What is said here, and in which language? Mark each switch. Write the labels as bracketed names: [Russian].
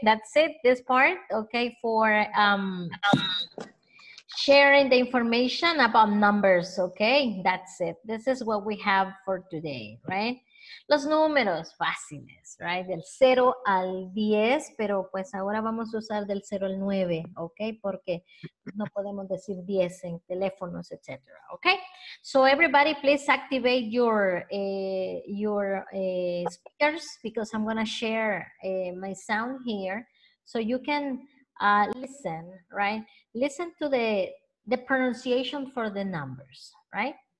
[English] That's it, this part, okay, for sharing the information about numbers, okay? That's it. This is what we have for today, right? [Spanish] Los números fáciles, right? Del 0 al 10, pero pues ahora vamos a usar del 0 al 9, ¿ok? Porque no podemos decir 10 en teléfonos, etc. ¿Ok? [English] So everybody, please activate your speakers because I'm going to share my sound here. So you can listen, right? Listen to the pronunciation for the numbers, right?